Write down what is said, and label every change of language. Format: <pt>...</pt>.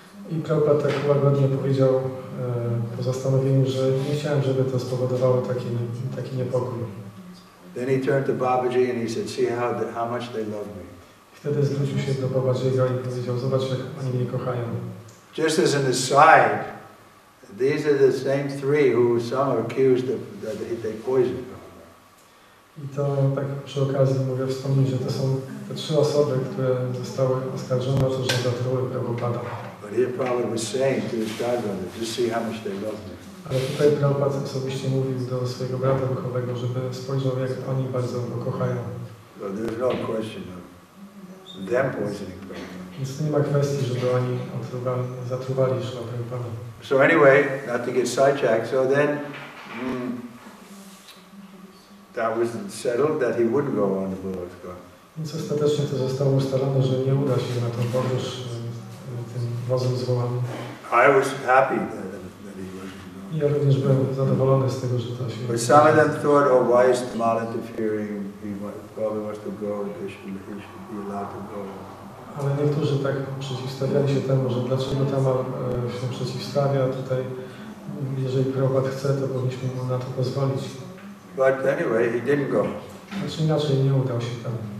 <pl>I Prabhupada tak łagodnie powiedział po zastanowieniu, że nie chciałem, żeby to spowodowało taki niepokój.</pl> <en>Then he turned to Babaji and he said, "See how much they love me."</en> <pl>Wtedy zwrócił się do Babaji'ego i powiedział, zobacz, jak oni mnie kochają.</pl> <en>Just as an aside, these are the same three who some are accused of that they poisoned Prabhupada.</en> <pl>I to tak przy okazji mogę wspomnieć, że to są te trzy osoby, które zostały oskarżone o to, że zatruły Prabhupada.</pl> <en>But here Prabhupada was saying to his godmother, just see how much they love me.</en> <pl>Ale tutaj Prabhupada osobiście mówił do swojego brata duchowego, żeby spojrzał, jak oni bardzo go kochają.</pl> <en>So there's no question of them poisoning Prabhupada.</en> <pl>Więc nie ma kwestii, żeby oni zatruwali Śrila Prabhupada.</pl> <en>So anyway, not to get sidetracked, so then that was settled that he wouldn't go on the bullock's cart.</en> <pl>Więc ostatecznie to zostało ustalone, że nie uda się na tą podróż tym wozem z wołami.</pl> <en>I was happy that he wasn't going.</en> <pl>Ja również byłem zadowolony z tego, że to się...</pl> <en>But some of them thought, oh, why is Tamal interfering? He probably wants to go, he should be allowed to go.</en> <pl>Ale niektórzy tak przeciwstawiali się temu, że dlaczego Tamal się przeciwstawia tutaj. Jeżeli Prabhupad chce, to powinniśmy mu na to pozwolić.</pl> <en>But anyway, he didn't go.</en> <pl>Znaczy inaczej, nie udał się tam.</pl>